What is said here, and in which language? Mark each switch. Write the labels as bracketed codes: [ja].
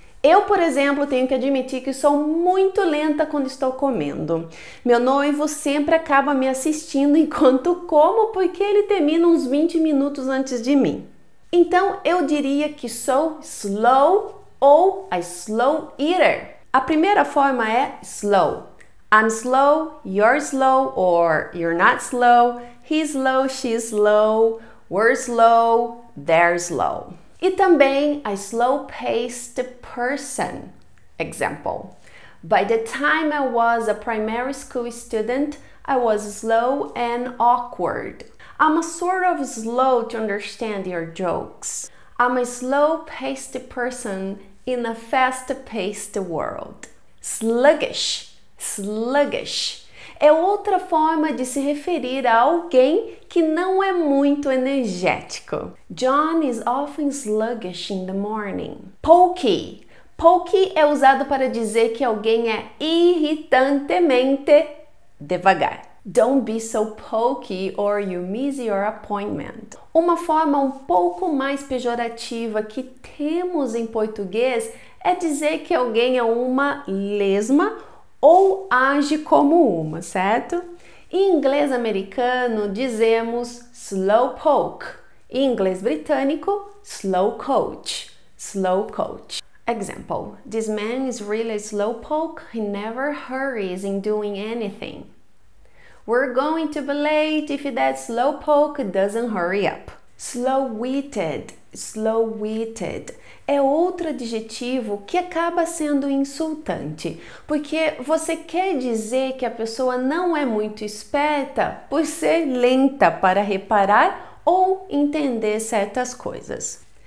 [pt] Eu, por exemplo, tenho que admitir que sou muito lenta quando estou comendo. Meu noivo sempre acaba me assistindo enquanto como, porque ele termina uns 20 minutos antes de mim. Então, eu diria que sou slow ou a slow eater. A primeira forma é slow. [en] I'm slow, you're slow, or you're not slow, he's slow, she's slow, we're slow, they're slow. [pt] E também a slow-paced person. [en] Example: By the time I was a primary school student, I was slow and awkward. I'm a sort of slow to understand your jokes. I'm a slow-paced person in a fast-paced world. [pt] Sluggish, sluggish é outra forma de se referir a alguém que não é muito energético. [en] John is often sluggish in the morning. Pokey. [pt] Pokey é usado para dizer que alguém é irritantemente devagar. [en] Don't be so pokey or you miss your appointment. [pt] Uma forma um pouco mais pejorativa que temos em português é dizer que alguém é uma lesma ou age como uma, certo? Em inglês americano dizemos slowpoke. Em inglês britânico, slowcoach. Slowcoach. [en] Example: This man is really a slowpoke. He never hurries in doing anything. We're going to be late if that slowpoke doesn't hurry up. [pt] Slow-witted, slow-witted é outro adjetivo que acaba sendo insultante, porque você quer dizer que a pessoa não é muito esperta por ser lenta para reparar ou entender certas coisas.